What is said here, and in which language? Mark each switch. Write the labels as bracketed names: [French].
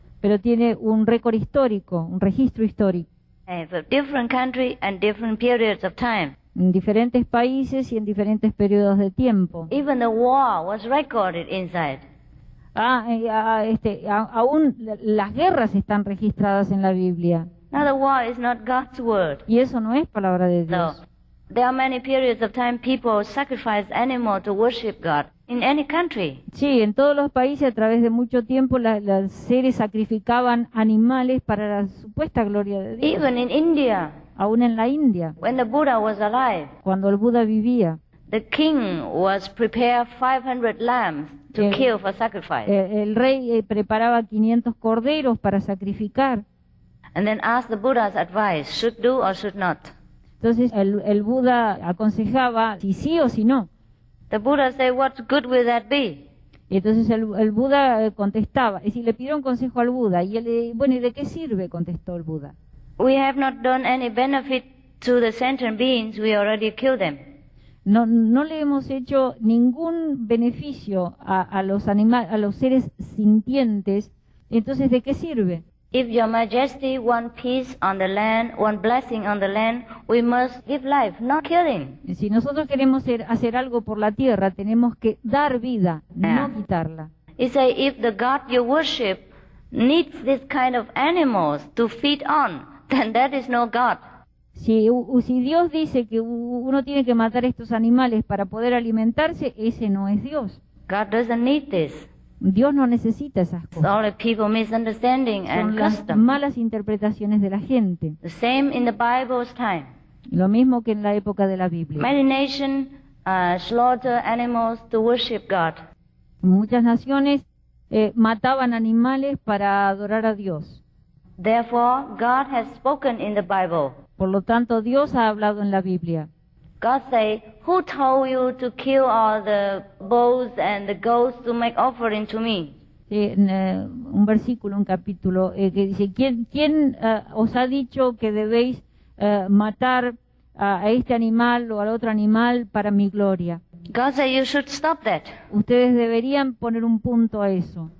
[Spanish] Pero tiene un récord histórico, un registro histórico. [English] For different country and different periods of time. [Spanish] En diferentes países y en diferentes periodos de tiempo. [English] Even the war was recorded inside. [Spanish] Aún las guerras están registradas en la Biblia. [English] Now the war is not God's word. [Spanish] Y eso no es palabra de Dios. [English] So, there are many periods of time people sacrifice animals to worship God. In any country. [Spanish] Sí, en todos los países a través de mucho tiempo las seres sacrificaban animales para la supuesta gloria de Dios. [English] Even in India. [Spanish] Aún en la India. [English] When the Buddha was alive. [Spanish] Cuando el Buda vivía. [English] The king was prepared 500 lambs to kill for sacrifice. [Spanish] El rey preparaba 500 corderos para sacrificar. [English] And then asked the Buddha's advice, should do or should not. [Spanish] Entonces el Buda aconsejaba si sí o si no. [English] The Buddha said, "What good will that be?" [Spanish] Entonces el Buda contestaba, y si le pidieron consejo al Buda, y él, bueno, ¿y de qué sirve? Contestó el Buda. [English] We have not done any benefit to the sentient beings. We already killed them. [Spanish] no le hemos hecho ningún beneficio a los animales, a los seres sintientes, entonces ¿de qué sirve? [English] If Your Majesty want peace on the land, want blessing on the land, we must give life, not killing. [Spanish] Si nosotros queremos hacer algo por la tierra, tenemos que dar vida, yeah. No quitarla. [English] He say if the God you worship needs this kind of animals to feed on, then that is no God. [Spanish] Si Dios dice que uno tiene que matar estos animales para poder alimentarse, ese no es Dios. [English] God doesn't need this. [Spanish] Dios no necesita esas cosas. [English] It's all the people misunderstanding and custom. [Spanish] Son las malas interpretaciones de la gente. [English] The same in the Bible's time. [Spanish] Lo mismo que en la época de la Biblia. [English] Many nations slaughter animals to worship God. [Spanish] Muchas naciones mataban animales para adorar a Dios. [English] Therefore, God has spoken in the Bible. [Spanish] Por lo tanto, Dios ha hablado en la Biblia. [English] God say, who told you to kill all the bulls and the goats to make offering to me? [Spanish] Sí, un versículo, un capítulo que dice, ¿quién os ha dicho que debéis matar a este animal o al otro animal para mi gloria? [English] God say, you should stop that. [Spanish] Ustedes deberían poner un punto a eso.